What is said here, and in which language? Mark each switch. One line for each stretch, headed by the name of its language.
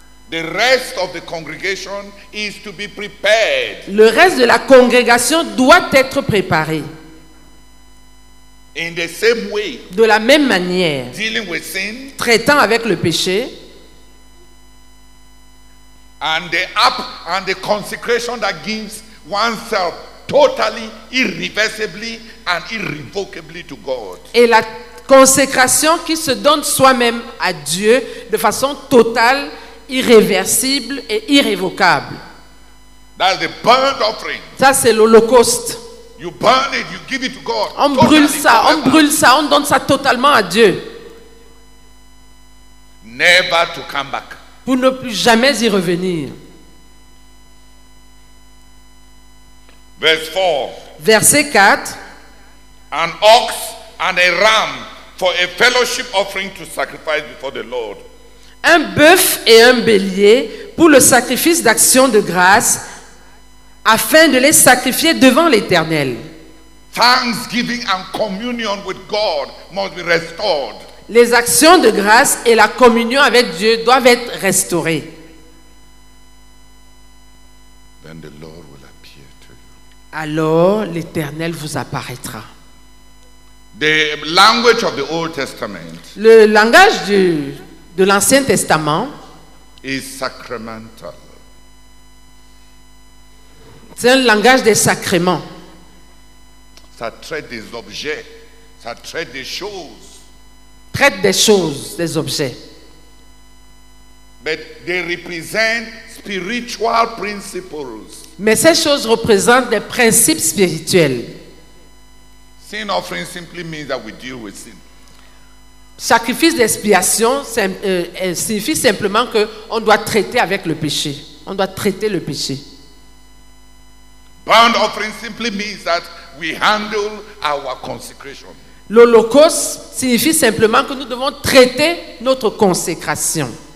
English: the rest of the congregation is to be prepared.
French: Le reste de la congrégation doit être préparé.
English: In the same way,
French: de la même manière,
English: dealing with sin,
French: traitant avec le péché,
English: and the consecration that gives oneself totally, irreversibly, and irrevocably to God.
French: Et la consécration qui se donne soi-même à Dieu de façon totale, irréversible et irrévocable.
English: That's the burnt offering.
French: Ça, c'est l'holocauste.
English: You burn it, you give it to God.
French: On brûle ça, on brûle ça, on donne ça totalement à Dieu.
English: Never to come back.
French: Pour ne plus jamais y revenir.
English: Verse 4.
French: Verset 4.
English: An ox and a ram for a fellowship offering to sacrifice before the Lord.
French: Un bœuf et un bélier pour le sacrifice d'action de grâce, afin de les sacrifier devant l'Éternel.
English: Thanksgiving and communion with God must be restored.
French: Les actions de grâce et la communion avec Dieu doivent être restaurées.
English: Then the Lord will appear to you.
French: Alors l'Éternel vous apparaîtra.
English: The language of the Old Testament.
French: Le langage de l'Ancien Testament
English: is sacramental.
French: C'est un langage des sacrements. Ça traite des objets, ça traite des choses. Traite des choses, des objets.
English: But they represent spiritual principles.
French: Mais ces choses représentent des principes spirituels.
English: Sin offering simply means that we deal with sin.
French: Sacrifice d'expiation signifie simplement que on doit traiter avec le péché. On doit traiter le péché.
English: Burnt offering simply means that we handle our consecration.
French: L'holocauste signifie simplement que nous devons traiter notre consécration.